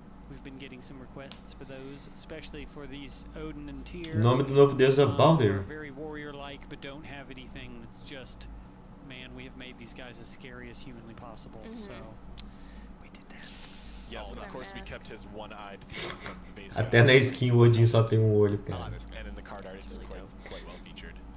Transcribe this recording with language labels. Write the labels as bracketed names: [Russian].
[English] We've been getting some requests for those, especially for these Odin and Tyr. [Portuguese] O nome do novo deus é Baldur. [English] Very warrior-like, but don't have anything that's just, man, we have made these guys as scary as humanly possible. Mm-hmm. So we did that. Yes, and of course we kept his one-eyed base. [Portuguese] Até na skin o Odin só tem um olho, cara. [English] And in the card art it's really quite well featured.